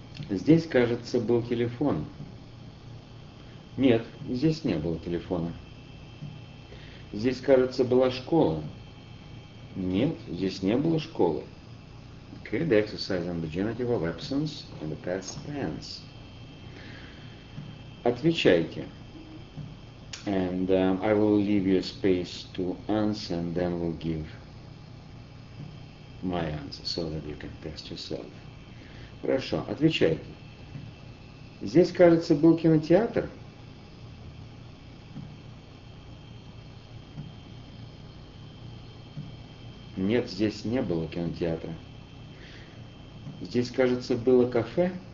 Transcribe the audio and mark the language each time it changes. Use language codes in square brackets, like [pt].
[ru] Здесь, кажется, был телефон. Нет, здесь не было телефона. Здесь, кажется, была школа. Нет, здесь не было школы. [en] Okay, the exercise on the genitive of absence in the past tense. [ru] Отвечайте. [en] And I will leave you a space to answer, and then we'll give my answer so that you can test yourself. [ru] Хорошо, отвечайте. Здесь, кажется, был кинотеатр. Нет, здесь не было кинотеатра. Здесь, кажется, было кафе.